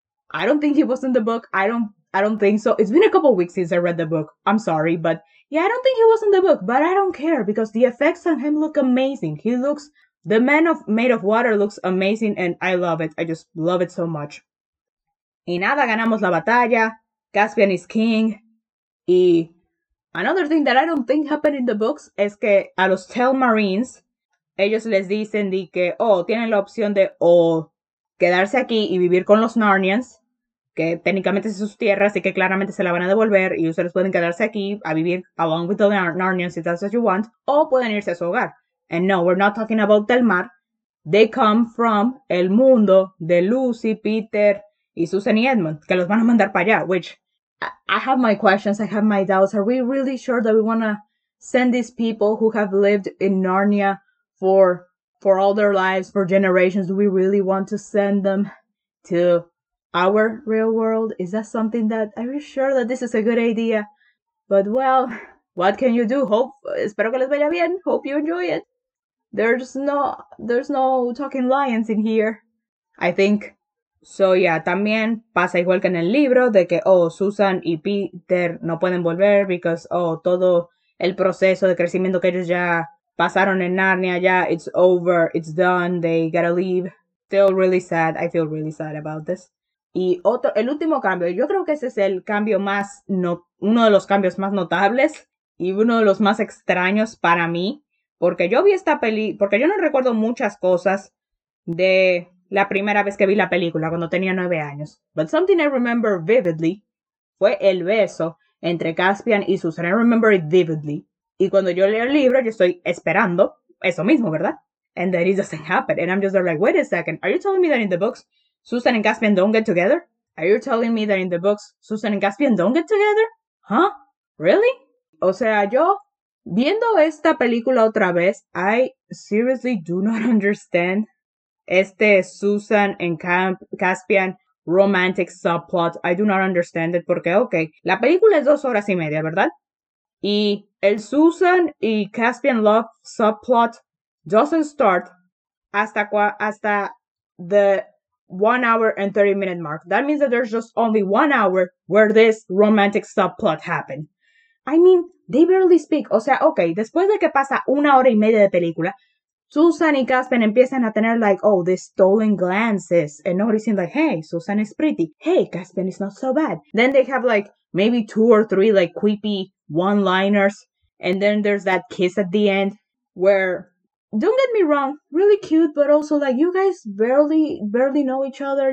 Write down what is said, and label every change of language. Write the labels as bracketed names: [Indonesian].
[English] I don't think he was in the book. I don't think so. It's been a couple weeks since I read the book. I'm sorry, but yeah, I don't think he was in the book, but I don't care because the effects on him look amazing. He looks, the man of made of water looks amazing, and I love it. I just love it so much. [Spanish] Y nada, ganamos la batalla. [English] Caspian is king. [Spanish] Y [English] another thing that I don't think happened in the books [Spanish] es que a los Telmarines, ellos les dicen de que, oh, tienen la opción de o quedarse aquí y vivir con los Narnians, que técnicamente es sus tierras, así que claramente se la van a devolver, y ustedes pueden quedarse aquí a vivir [English] along with the Narnians if that's what you want, [Spanish] o pueden irse a su hogar. [English] And no, we're not talking about Telmar. They come from [Spanish] el mundo de Lucy, Peter, y Susan y Edmund, que los van a mandar para allá, [English] which I have my questions, I have my doubts. Are we really sure that we want to send these people who have lived in Narnia for all their lives, for generations? Do we really want to send them to our real world? Is that something that, are you sure that this is a good idea? But well, What can you do? [Spanish] Espero que les vaya bien. [English] Hope you enjoy it. There's no talking lions in here, I think. [Spanish] So yeah, también pasa igual que en el libro de que, oh, Susan y Peter no pueden volver [English] because, [Spanish] oh, todo el proceso de crecimiento que ellos ya pasaron en Narnia, ya, [English] it's over, it's done, they gotta leave. Feel really sad, I feel really sad about this. [Spanish] Y otro, el último cambio, yo creo que ese es el cambio más, no, uno de los cambios más notables y uno de los más extraños para mí, porque yo vi esta peli, porque yo no recuerdo muchas cosas de la primera vez que vi la película, cuando tenía 9 años. [English] But something I remember vividly [Spanish] fue el beso entre Caspian y Susan. [English] I remember it vividly. [Spanish] Y cuando yo leo el libro, yo estoy esperando eso mismo, ¿verdad? [English] And then it doesn't happen. And I'm just like, wait a second. Are you telling me that in the books, Susan and Caspian don't get together? Are you telling me that in the books, Susan and Caspian don't get together? Huh? Really? [Spanish] O sea, yo, viendo esta película otra vez, [English] I seriously do not understand [Spanish] este [English] Susan and Caspian romantic subplot. I do not understand it. [Spanish] Porque, okay, la película es 2 horas y media, ¿verdad? Y el [English] Susan y Caspian love subplot doesn't start [Spanish] hasta [English] the 1 hour and 30 minute mark. That means that there's just only 1 hour where this romantic subplot happened. I mean, they barely speak. [Spanish] O sea, okay, después de que pasa 1 hora y media de película, Susan y Caspian empiezan a tener [English] like, oh, these stolen glances. And nobody's saying like, hey, Susan is pretty. Hey, Caspian is not so bad. Then they have like maybe 2 or 3 like creepy one-liners. And then there's that kiss at the end where, don't get me wrong, really cute, but also like you guys barely know each other.